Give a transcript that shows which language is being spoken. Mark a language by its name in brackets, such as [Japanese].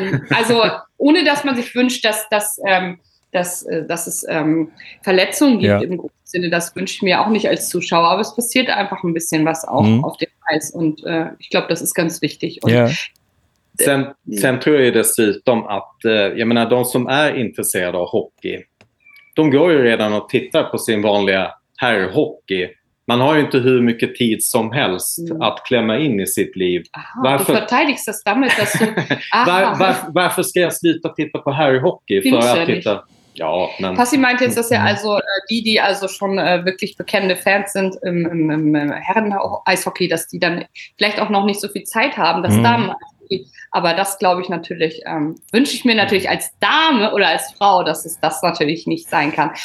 [German] Also ohne dass man sich wünscht, dass es Verletzungen gibt im großen Sinne, das wünsche ich mir auch nicht als Zuschauer, aber es passiert einfach ein bisschen was auch auf dem Eis und ich glaube, das ist ganz wichtig. Und [Swedish] sen tror jag dessutom att, jag menar, de som är intresserade av hockey, de går ju redan och tittar på sin vanliga herrhockey. Man har ju inte hur mycket tid som helst att klämma in i sitt liv. [German] Aha, [Swedish] varför [German] förteidigst das damit, dass du, [Swedish] varför ska jag sluta titta på herrhockey för att titta? [German] Ja, Passi meint jetzt, dass ja also die also schon wirklich bekennende Fans sind im Herren-Eishockey, dass die dann vielleicht auch noch nicht so viel Zeit haben, das Damen-Eishockey. Aber das glaube ich natürlich, wünsche ich mir natürlich als Dame oder als Frau, dass es das natürlich nicht sein kann.